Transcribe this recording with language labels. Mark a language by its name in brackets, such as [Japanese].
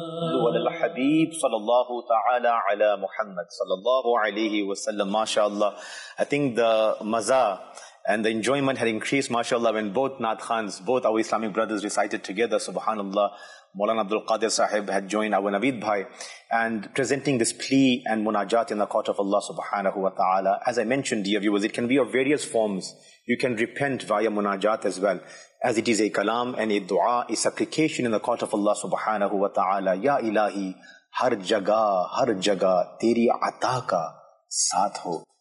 [Arabic] دول الحبیب صلی اللہ تعالی علی محمد صلی اللہ علیہ وسلم. [English] ماشاءاللہ, I think the maza and the enjoyment had increased ماشاءاللہ when both Naat Khans, both our Islamic brothers recited together. Subhanallah, Maulana Abdul Qadir Sahib had joined our Naveed Bhai and presenting this plea and munajat in the court of Allah subhanahu wa ta'ala. As I mentioned, dear viewers, it can be of various forms. You can repent via munajat as well, as it is a kalam and a dua, a supplication in the court of Allah subhanahu wa ta'ala. [Urdu] Ya ilahi, ہر جگہ تیری عطا کا ساتھ ہو.